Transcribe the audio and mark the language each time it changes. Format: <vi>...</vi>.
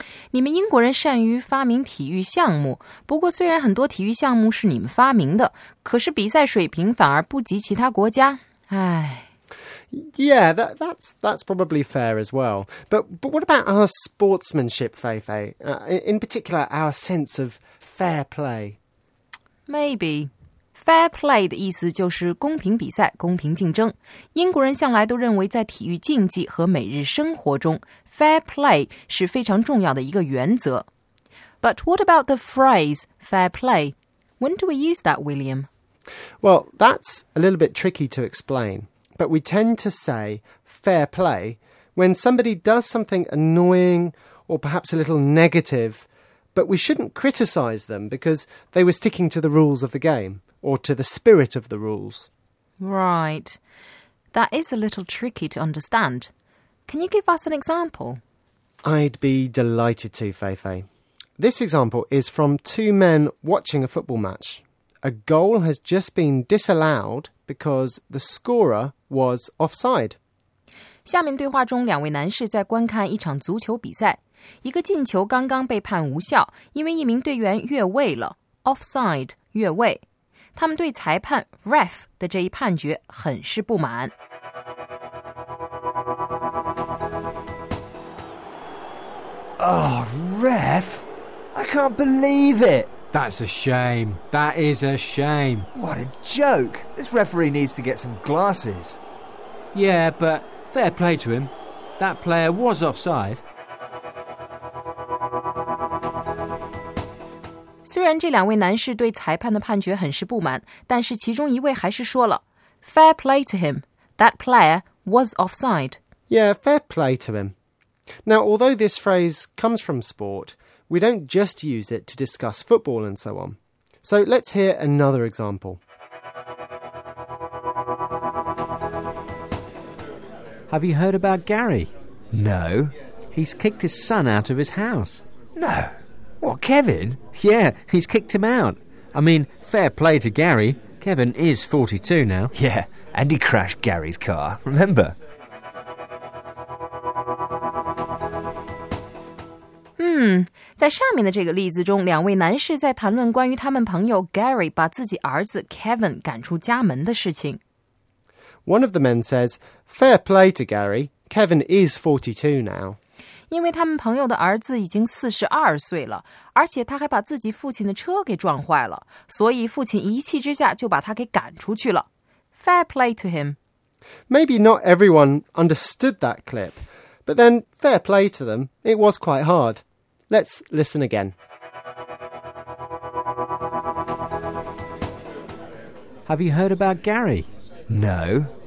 <zh>你们英国人善于发明体育项目，不过虽然很多体育项目是你们发明的，可是比赛水平反而不及其他国家。唉。</zh> <en>Yeah, that's probably fair as well. But what about our sportsmanship, Feifei? In particular, our sense of fair play? Maybe.</en> <zh>Fair play 的意思就是公平比赛、公平竞争。英国人向来都认为在体育竞技和每日生活中 ,fair play 是非常重要的一个原则。</zh> <en>But what about the phrase fair play? When do we use that, William? Well, that's a little bit tricky to explain. But we tend to say fair play when somebody does something annoying or perhaps a little negative, but we shouldn't criticize them because they were sticking to the rules of the game. Or to the spirit of the rules. Right. That is a little tricky to understand. Can you give us an example? I'd be delighted to, Feifei. This example is from two men watching a football match. A goal has just been disallowed because the scorer was offside.</en> <zh>下面对话中两位男士在观看一场足球比赛。一个进球刚刚被判无效因为一名队员越位了。 Offside, 越位。他们对裁判 ref 的这一判决很是不满。</zh> <en>Oh, ref! I can't believe it! That's a shame. That is a shame. What a joke! This referee needs to get some glasses. Yeah, but fair play to him. That player was offside.</en> <zh>虽然这两位男士对裁判的判决很是不满，但是其中一位还是说了</zh> <en>"Fair play to him. That player was offside." Yeah, fair play to him. Now, although this phrase comes from sport, we don't just use it to discuss football and so on. So let's hear another example. Have you heard about Gary? No. He's kicked his son out of his house. No. What, Kevin? Yeah, he's kicked him out. I mean, fair play to Gary. Kevin is 42 now. Yeah, and he crashed Gary's car, remember?</en> <zh>在上面的这个例子中，两位男士在谈论关于他们朋友 Gary 把自己儿子 Kevin 赶出家门的事情。</zh> <en>One of the men says, fair play to Gary. Kevin is 42 now.</en> <zh>因为他们朋友的儿子已经42岁了，而且他还把自己父亲的车给撞坏了，所以父亲一气之下就把他给赶出去了。</zh> <en>Fair play to him. Maybe not everyone understood that clip, but then fair play to them, it was quite hard. Let's listen again. Have you heard about Gary? No.</en>